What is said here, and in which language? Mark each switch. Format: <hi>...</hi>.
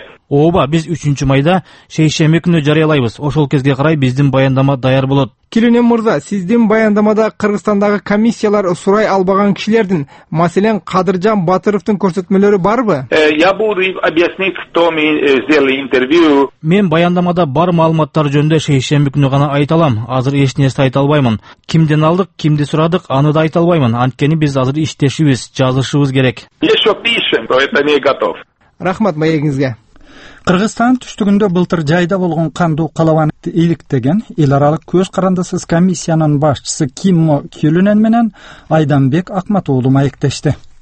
<ky>Ооба, биз 3 майда шейшемби күнү жарыялайбыз. Ошол кезге карай биздин баяндама даяр болот. Келюнен мырза, сиздин баяндамада Кыргызстандагы комиссиялар сурай албаган кишилердин, маселен Кадыржан Батыровдун көрсөтмөлөрү барбы?</ky> <ru>Я буду объяснить, кто мне сделали интервью.</ru> <ky>Мен баяндамада бар маалыматтар жөнүндө шейшемби күнү гана айта алам. Азыр эч нерсе айта албаймын. Кимден алдык, кимди сурадык, аны да айта албаймын. Анткени биз азыр иштешибиз, жазышыбыз керек.</ky> <ru>Ещё пишем, то это не готов.</ru> <ky>Рахмат маегиңизге. Кыргызстан түштүгүндө былтыр жайда болгон кандуу калабан эликтеген эл аралык көз карандысыз комиссиянын башчысы Киммо Келюнен менен Айданбек Акматоолу маектешти.</ky>